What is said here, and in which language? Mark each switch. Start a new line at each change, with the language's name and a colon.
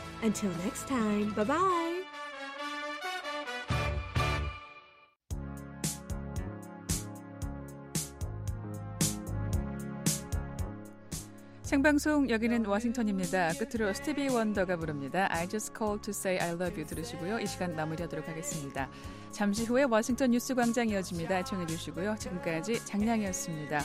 English: Until next time, bye-bye!
Korean: Sing방송 여기는 워싱턴입니다. 끝으로 스티비 원더가 부릅니다. I just called to say I love you 들으시고요. 이 시간 마무리하도록 하겠습니다. 잠시 후에 워싱턴 뉴스 광장 이어집니다. 청해 주시고요. 지금까지 장량이었습니다.